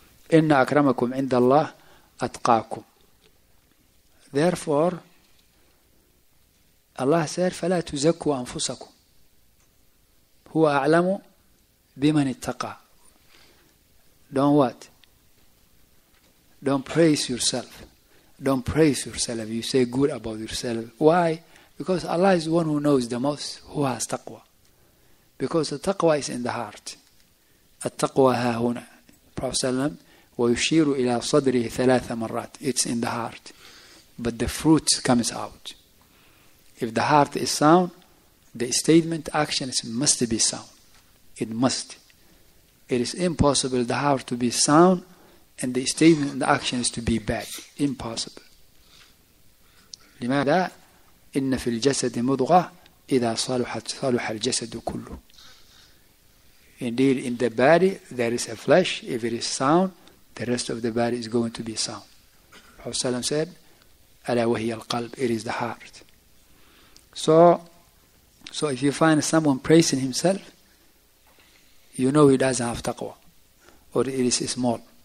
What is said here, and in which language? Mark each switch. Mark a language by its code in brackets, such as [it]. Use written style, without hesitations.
[ar] إِنَّ أَكْرَمَكُمْ عِنْدَ اللَّهِ أَتْقَاكُمْ. [en] Therefore, Allah said, [ar] فَلَا تُزَكُوا أَنفُسَكُمْ هُوَ أَعْلَمُ بِمَنِ اتَّقَى. [en] Don't what? Don't praise yourself. Don't praise yourself. You say good about yourself. Why? Because Allah is the one who knows the most who has taqwa. Because the taqwa is in the heart. [ar] التقوى ها هنا. Prophet Sallam ويشير إلى صدره ثلاث مرات. [en] It's in the heart. But the fruit comes out. If the heart is sound, the statement, action must be sound. It must. It is impossible the heart to be sound and the statement and the actions to be bad. Impossible. [ar] لماذا؟ إن في الجسد مضغة إذا صالحت صالح الجسد كله. [en] Indeed, in the body, there is a flesh. If it is sound, the rest of the body is going to be sound. Prophet Sallam said, [ar] ألا وهي القلب, [en] it is the heart. So if you find someone praising himself, you know he doesn't have taqwa. Or it is small.